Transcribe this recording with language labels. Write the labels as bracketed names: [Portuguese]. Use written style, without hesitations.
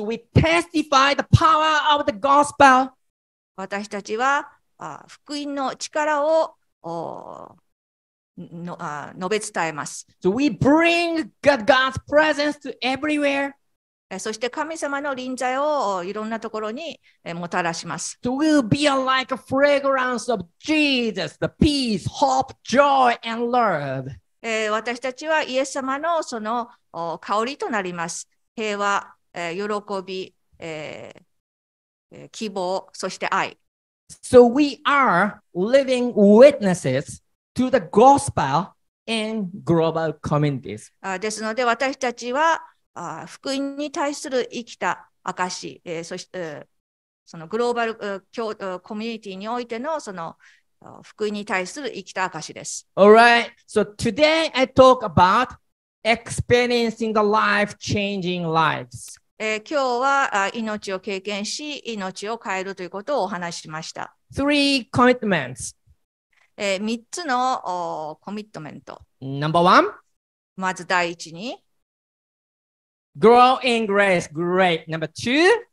[English] So we testify the power of the gospel. [Japanese] 私たちは福音の力をの述べ伝えます。 [English] So we bring God's presence to everywhere. [Japanese] そして神様の臨在をいろんなところにもたらします。 [English] So we'll be like a fragrance of Jesus, the peace, hope, joy, and love. [Japanese] 私たちはイエス様のその香りとなります。平和、喜び、希望、そして愛。 [English] So we are living witnesses to the gospel in global communities. [Japanese] ですので私たちは福音に対する生きた証、そしてそのグローバルコミュニティにおいてのその福音に対する生きた証です。 [English] All right. So today I talk about experiencing the life-changing lives. [Japanese] 今日は命を経験し命を変えるということをお話ししました。 [English] Three commitments. [Japanese] 三つのコミットメント。 [English] Number one. [Japanese] まず第一に。 [English] Grow in grace. Great. Number two.